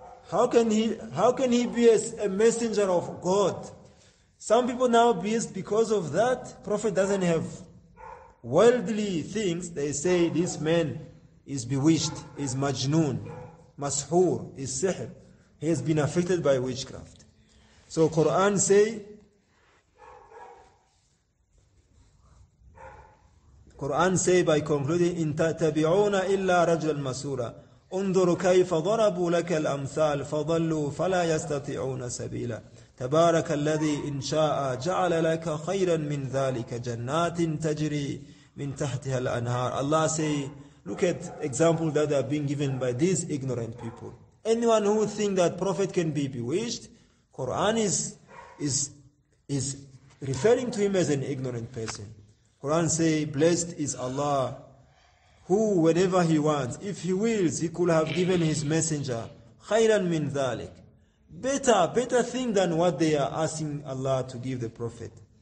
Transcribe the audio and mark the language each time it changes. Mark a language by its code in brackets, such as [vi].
[en] How can he be a messenger of God? Some people now, because of that, prophet doesn't have worldly things, they say this man is bewitched, is majnoon, mashoor, is sihr. He has been affected by witchcraft. So Quran say, by concluding, [ar] إِن تَتَّبِعُونَ إِلَّا رَجْلًا مَسْحُورًا أُنْظُرُ كَيْفَ ضَرَبُوا لَكَ الْأَمْثَالِ فَضَلُّوا فَلَا يَسْتَطِعُونَ سَبِيلًا تَبَارَكَ الَّذِي إِنْ شَاءَ جَعَلَ لَكَ خَيْرًا مِنْ ذَلِكَ جَنَّاتٍ تَجْرِي مِنْ تَحْتِهَا الْأَنْهَارِ. [en] Allah say, look at example that are being given by these ignorant people. Anyone who think that Prophet can be bewitched, Quran is referring to him as an ignorant person. Quran say, blessed is Allah, who whenever he wants, if he wills, he could have given his messenger [ar] خَيْرًا مِنْ ذَلِكَ, [en] better thing than what they are asking Allah to give the Prophet.